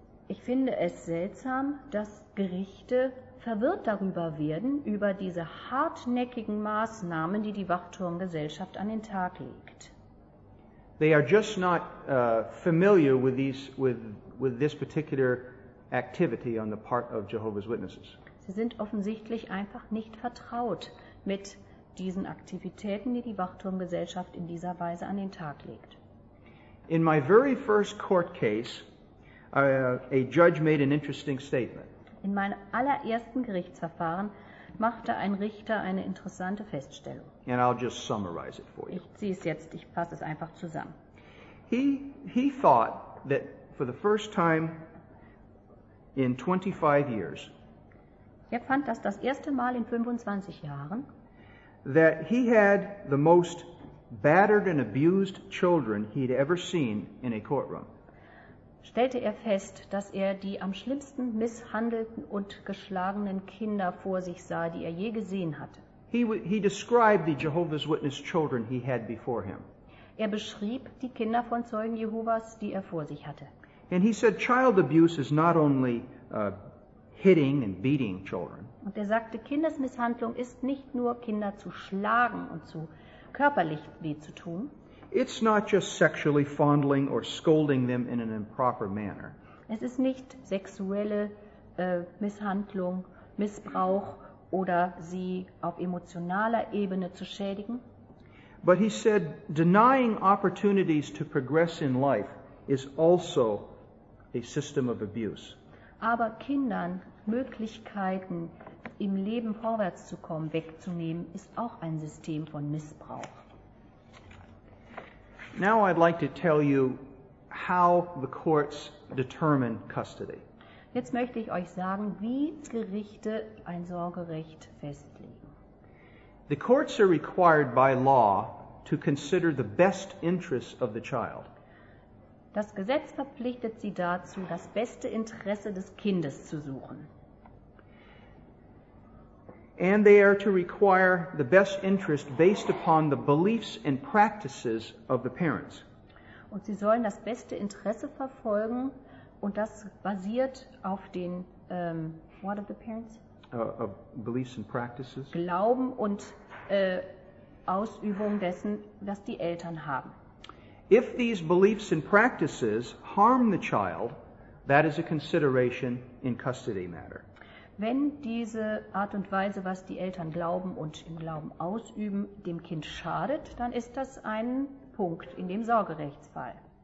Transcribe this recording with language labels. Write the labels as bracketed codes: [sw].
[de] Ich finde es seltsam, dass Gerichte verwirrt darüber werden, über diese hartnäckigen Maßnahmen, die die Wachturmgesellschaft an den Tag legt. [en] They are just not familiar with these with this particular activity on the part of Jehovah's Witnesses. [de] Sie sind offensichtlich einfach nicht vertraut mit diesen Aktivitäten, die die Wachturmgesellschaft in dieser Weise an den Tag legt. [en] In my very first court case, a judge made an interesting statement. [de] In meinem allerersten Gerichtsverfahren machte ein Richter eine interessante Feststellung. [en] And I'll just summarize it for you. [de] Ich ziehe es jetzt, ich fasse es einfach zusammen. [en] He thought that for the first time in 25 years, [de] er fand das erste Mal in 25 Jahren, [en] that he had the most battered and abused children he'd ever seen in a courtroom. [de] Stellte er fest, dass er die am schlimmsten misshandelten und geschlagenen Kinder vor sich sah, die er je gesehen hatte. [en] He described the Jehovah's Witness children he had before him. [de] Er beschrieb die Kinder von Zeugen Jehovas, die er vor sich hatte. [en] And he said child abuse is not only hitting and beating children. [de] Und er sagte, Kindesmisshandlung ist nicht nur Kinder zu schlagen und zu körperlich weh zu tun. [en] It's not just sexually fondling or scolding them in an improper manner. [de] Es ist nicht sexuelle Misshandlung, Missbrauch oder sie auf emotionaler Ebene zu schädigen. [en] But he said denying opportunities to progress in life is also a system of abuse. [de] Aber Kindern Möglichkeiten im Leben vorwärts zu kommen, wegzunehmen, ist auch ein System von Missbrauch. [en] Now I'd like to tell you how the courts determine custody. [de] Jetzt möchte ich euch sagen, wie Gerichte ein Sorgerecht festlegen. [en] The courts are required by law to consider the best interests of the child. [de] Das Gesetz verpflichtet sie dazu, das beste Interesse des Kindes zu suchen. [en] And they are to require the best interest based upon the beliefs and practices of the parents. [de] Und sie sollen das beste Interesse verfolgen und das basiert auf den [en] what of the parents? Of beliefs and practices. [de] Glauben und Ausübung dessen, was die Eltern haben. [en] If these beliefs and practices harm the child, that is a consideration in custody matter. [de] Wenn diese Art und Weise, was die Eltern glauben und im Glauben ausüben, dem Kind schadet, dann ist das ein Punkt in dem Sorgerechtsfall.